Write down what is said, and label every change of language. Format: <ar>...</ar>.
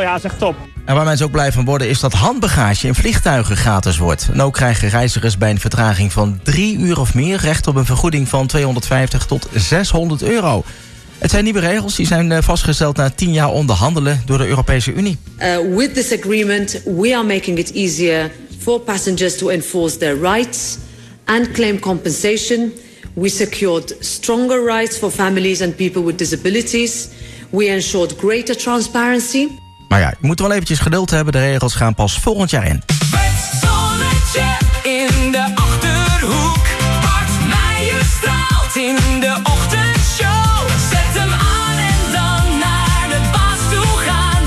<nl>Ja, dat is echt top. En waar mensen ook blij van worden is dat handbagage in vliegtuigen gratis wordt. En ook krijgen reizigers bij een vertraging van 3 uur of meer recht op een vergoeding van 250 tot 600 euro. Het zijn nieuwe regels die zijn vastgesteld na 10 jaar onderhandelen door de Europese Unie.</nl> <en>With this agreement, we are making it easier for passengers to enforce their rights and claim compensation. We secured stronger rights for families and people with disabilities. We ensured greater transparency.</en> <nl>Maar ja, je moet wel eventjes geduld hebben. De regels gaan pas volgend jaar in. Met zonnetje in de Achterhoek. Bart Meijer straalt in de ochtendshow. Zet hem aan en dan naar de baas toe gaan.</nl>